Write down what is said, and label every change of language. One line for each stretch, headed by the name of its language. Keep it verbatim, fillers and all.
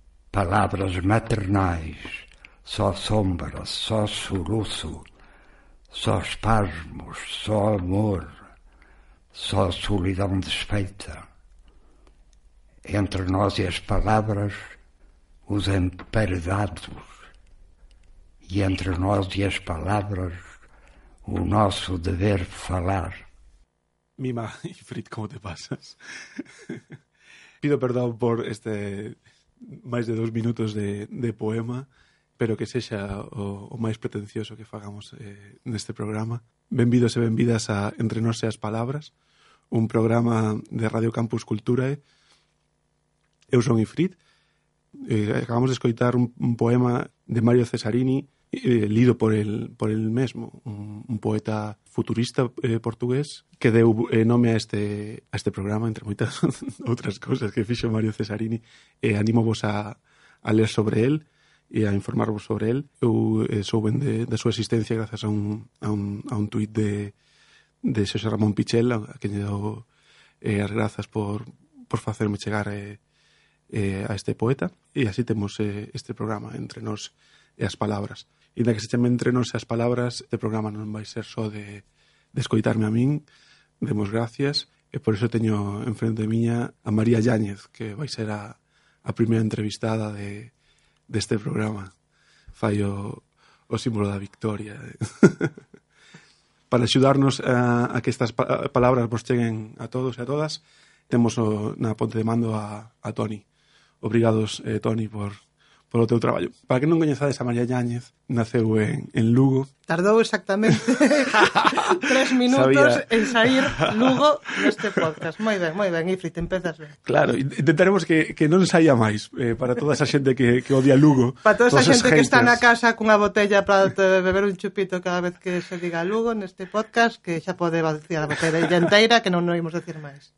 Portuguese: Palavras maternais, só sombra, só soluço, só espasmos, só amor, só solidão desfeita. Entre nós e as palavras, os emparedados, e entre nós e as palavras, o nosso dever falar.
Spanish: Mima y Frit, ¿cómo te pasas?
Galician: Pido perdón por este... máis de dous minutos de, de poema, pero que sexa o, o máis pretencioso que fagamos eh, neste programa. Benvidos e benvidas a Entre Nós e as Palabras, un programa de Radio Campus Culturae. Eu son Ifrit. Eh, acabamos de escoitar un, un poema de Mario Cesarini, eh, lido por el, por el mesmo, un, un poeta futurista eh, portugués que deu eh, nome a este, a este programa, entre moitas outras cousas que fixo Mario Cesarini. Eh, anímovos a, a ler sobre el e a informarvos sobre el. Eu eh, souben de, da súa existencia grazas a un, a un, a un tuit de, de Xosé Ramón Pichel, a que lle dou eh, as grazas por, por facerme chegar eh, eh, a este poeta. E así temos eh, este programa, Entre Nós e as Palabras. E da que se chame Entre Nós e as Palabras, este programa non vai ser só de, de escoitarme a min, demos gracias, e por iso teño enfrente de miña a María Yáñez, que vai ser a, a primeira entrevistada de deste programa. Fai o, o símbolo da victoria. Para axudarnos a, a que estas pa- palabras vos cheguen a todos e a todas, temos o, na ponte de mando a, a Toni. Obrigados, eh, Toni, por... polo teu traballo. Para que non coñezades a María Yáñez, naceu en, en Lugo. Tardou exactamente tres minutos Sabía. En sair Lugo neste podcast. Moi ben, moi ben, Ifrit, empezas ben. Claro, intentaremos que, que non saia máis eh, para toda esa xente que, que odia Lugo. Para toda esa xente que está na casa cunha botella para beber un chupito cada vez que se diga Lugo neste podcast, que xa pode vaciar a botella inteira, que non o imos decir máis.